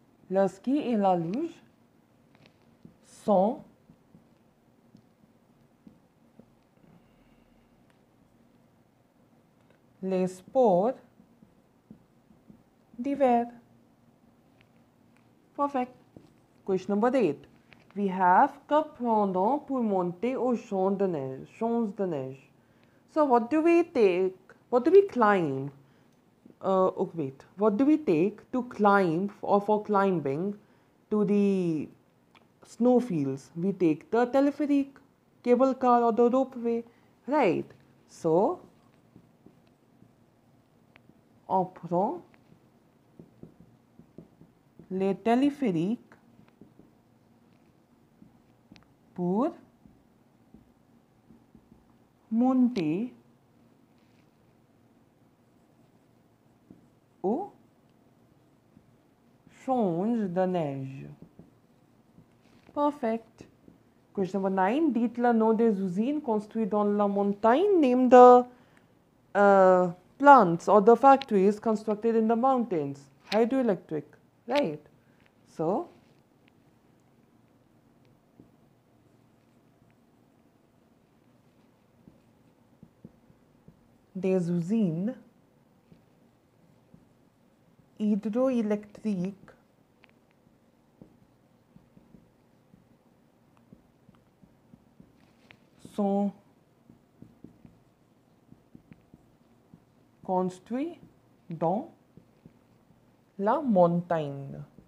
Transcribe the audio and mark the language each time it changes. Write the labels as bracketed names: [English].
[French] Le ski et la luge sont les sports d'hiver. [English] Perfect. Question number 8. We have, [French] que prenons pour monter au champ de neige? Champs de neige. [English] So what do we take? What do we climb? What do we take to climb or for climbing to the snowfields? We take the teleferic, cable car or the ropeway. Right. [French] So, on prend les téléphériques pour monter au champ de neige. [English] Perfect. Question number 9. [French] Dites le nom des usines construites dans la montagne. [English] Name the plants or the factories constructed in the mountains. Hydroelectric, right? [French] So, des usines hydroélectriques sont construit dans la montagne.